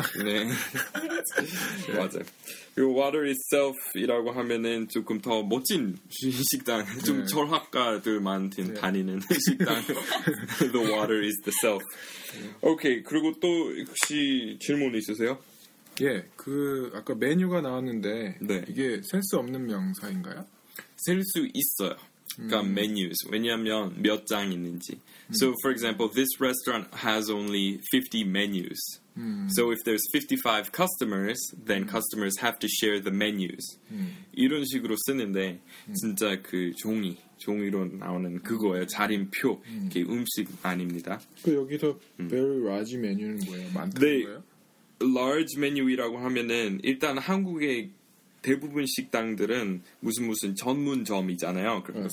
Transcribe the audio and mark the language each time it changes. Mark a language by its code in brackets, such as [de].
[ko] 네. 맞아요. 그 [en] water itself [ko] 이라고 하면은 조금 더 멋진 식당, 좀 철학가들만 다니는 식당. [en] The water is the self. [ko] 오케이, 그리고 또 혹시 질문 있으세요? 예, 그 아까 메뉴가 나왔는데 네. 이게 셀 수 없는 명사인가요? 셀 수 있어요. 그러니까 menus, 왜냐하면 몇 장 있는지. [en] So for example, this restaurant has only 50 menus. So if there's 55 customers, then customers have to share the menus. [ko] 이런 식으로 쓰는데 진짜 그 종이로 나오는 그거예요. 자림표. 이게 음식 아닙니다. 그 여기서 [en] very large menu [ko] 는 뭐예요? 많다는 거예요? [en] Large menu [ko] 이라고 하면은 일단 한국에 대부분 식당들은 무슨 무슨 전문점이잖아요. 그러니까 네.